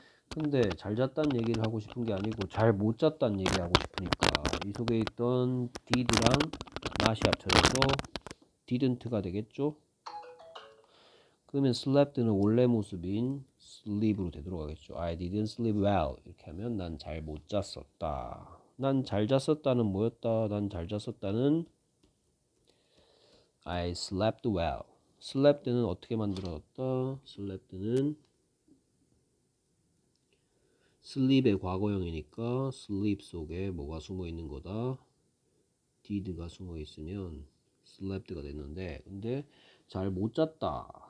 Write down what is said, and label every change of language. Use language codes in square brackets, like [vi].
[ko] 근데 잘 잤다는 얘기를 하고 싶은 게 아니고 잘못 잤다는 얘기를 하고 싶으니까 이 속에 있던 did랑 not이 합쳐져서 didn't가 되겠죠? 그러면 slept는 원래 모습인 sleep으로 되도록 하겠죠. [en] I didn't sleep well. [ko] 이렇게 하면 난잘못 잤었다. 난잘 잤었다는 뭐였다? 난잘 잤었다는 [en] I slept well. [ko] slept는 어떻게 만들었다? slept는 sleep의 과거형이니까 sleep 속에 뭐가 숨어 있는 거다? did가 숨어 있으면 slept가 됐는데 근데 잘못 잤다.